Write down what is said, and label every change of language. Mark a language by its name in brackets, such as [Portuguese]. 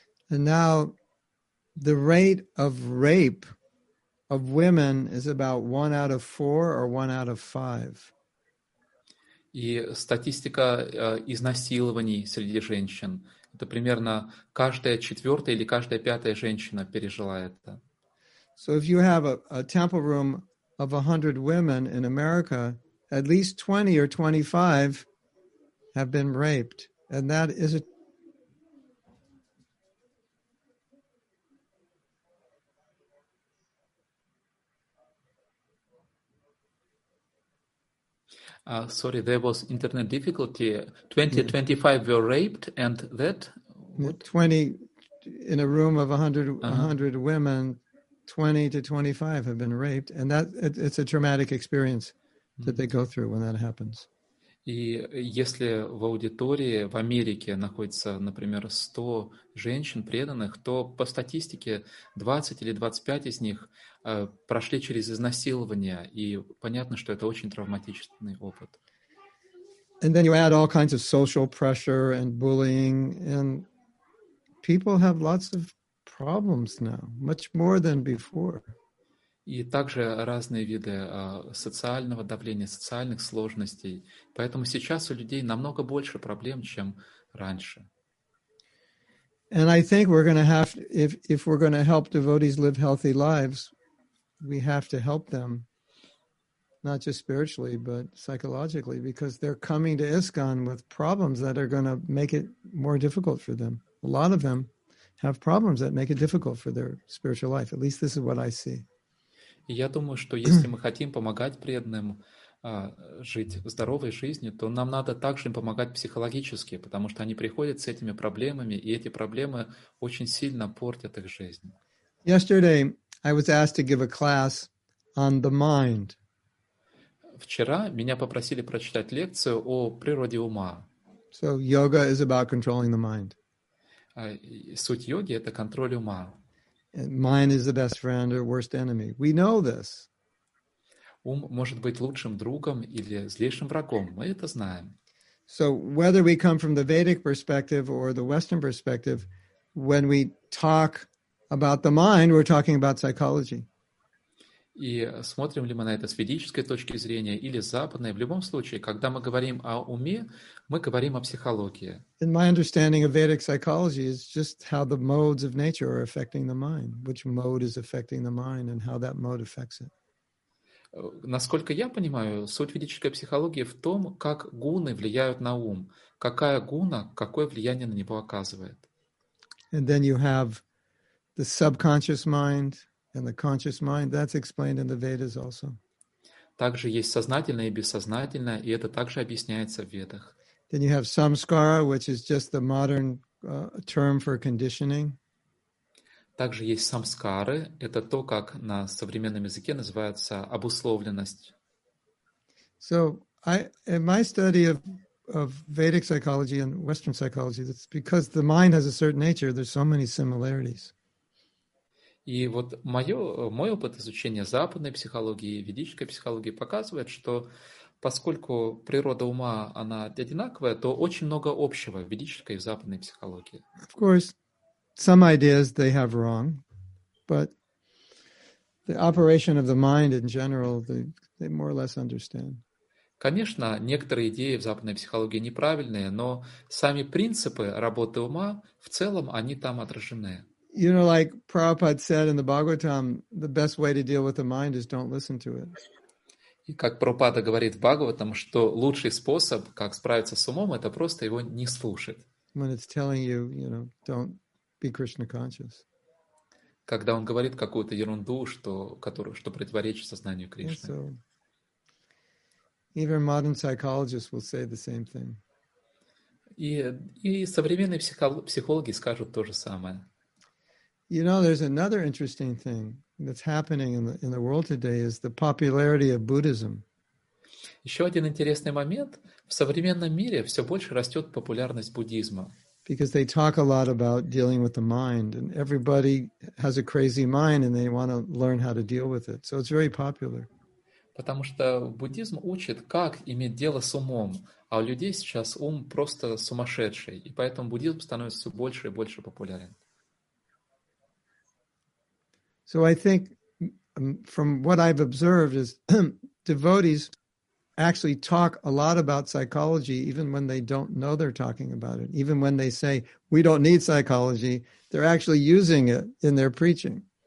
[English] And now the rate of rape of women is about 1 out of 4 or 1 out of 5. [Russian] И статистика изнасилований среди женщин. Это примерно каждая четвертая или каждая пятая женщина пережила это. [English] So if you have a temple room of 100 women in America, at least 20 or 25 have been raped. And that is a... Sorry, there was internet difficulty. 20-25 were raped, and that... What? 20 in a room of 100, uh-huh. 100 women... 20 to 25 have been raped, and that it's a traumatic experience that they go through when that happens. [Russian] И если в аудитории в Америке находится, например, 100 женщин преданных, то по статистике 20 или 25 из них прошли через изнасилование, и понятно, что это очень травматичный опыт. [English] And then you add all kinds of social pressure and bullying, and people have lots of problems now, much more than before. [Russian] И также разные виды социального давления, социальных сложностей. Поэтому сейчас у людей намного больше проблем, чем раньше. [English] And I think we're going to have to, if we're going to help devotees live healthy lives, we have to help them, not just spiritually, but psychologically, because they're coming to ISKCON with problems that are going to make it more difficult for them. A lot of them have problems that make it difficult for their spiritual life. At least this is what I see. [Russian] Я думаю, что если мы хотим помогать преданным жить здоровой жизнью, то нам надо также им помогать психологически, потому что они приходят с этими проблемами, и эти проблемы очень сильно портят их жизнь. [English] Yesterday I was asked to give a class on the mind. [Russian] Вчера меня попросили прочитать лекцию о природе ума. [English] So yoga is about controlling the mind. [Russian] Суть йоги — это контроль ума. [English] Mind is the best friend or worst enemy. We know this. [Russian] Ум может быть лучшим другом или злейшим врагом. Мы это знаем. [English] So whether we come from the Vedic perspective or the Western perspective, when we talk about the mind, we're talking about psychology. [Russian] И смотрим ли мы на это с ведической точки зрения или с западной, в любом случае, когда мы говорим о уме, мы говорим о психологии. [English] And my understanding of Vedic psychology is just how the modes of nature are affecting the mind, which mode is affecting the mind and how that mode affects it. [Russian] Насколько я понимаю, суть ведической психологии в том, как гуны влияют на ум, какая гуна, какое влияние на него оказывает. [English] And then you have the subconscious mind. And the conscious mind, that's explained in the Vedas also. [Russian] Также есть сознательное и бессознательное, и это также объясняется в Ведах. [English] Then you have samskara, which is just the modern term for conditioning. [Russian] Также есть самскары, это то, как на современном языке называется обусловленность. [English] So, in my study of Vedic psychology and Western psychology, it's because the mind has a certain nature, there's so many similarities. [Russian] И вот мой опыт изучения западной психологии и ведической психологии показывает, что поскольку природа ума, она одинаковая, то очень много общего в ведической и в западной психологии. [English] Of course, some ideas they have wrong, but the operation of the mind in general, they more or less understand. [Russian] Конечно, некоторые идеи в западной психологии неправильные, но сами принципы работы ума в целом, они там отражены. [English] You know, like Prabhupada said in the Bhagavatam, the best way to deal with the mind is don't listen to it. [Russian] И как Прабхупада говорит в Бхагаватам, что лучший способ, как справиться с умом, это просто его не слушать. [English] When it's telling you, you know, don't be Krishna conscious. [Russian] Когда он говорит какую-то ерунду, что противоречит сознанию Кришны. [English] So, Even modern psychologists will say the same thing. [Russian] И современные психологи скажут то же самое. [English] You know, there's another interesting thing that's happening in the world today is the popularity of Buddhism. [Russian] Еще один интересный момент. В современном мире все больше растет популярность буддизма. [English] Because they talk a lot about dealing with the mind, and everybody has a crazy mind, and they want to learn how to deal with it. So it's very popular. [Russian] Потому что буддизм учит, как иметь дело с умом, а у людей сейчас ум просто сумасшедший, и поэтому буддизм становится все больше и больше популярен. [English] So I think, from what I've observed, is devotees actually talk a lot about psychology even when they don't know they're talking about it. Even when they say, we don't need psychology, they're actually using it in their preaching.